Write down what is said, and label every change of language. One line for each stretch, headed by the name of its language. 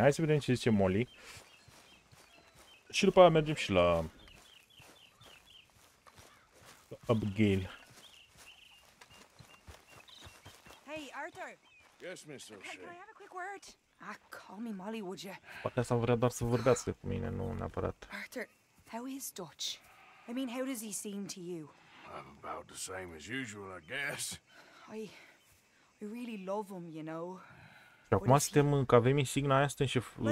Romanian: Hai să vedem ce zice Molly. Și după aia mergem și la Abigail.
English: Hey, Arthur! Yes, Mr. O'Shea. Can I have a quick word? Call me Molly, would you?
Romanian: Poate asta vrea doar să vorbească cu mine, nu neapărat.
English: Arthur, how is Dutch? I mean, how does he seem to you? I'm about the same as usual, I guess. I really love him, you know.
Romanian: Și acum suntem, că avem insigna aia, suntem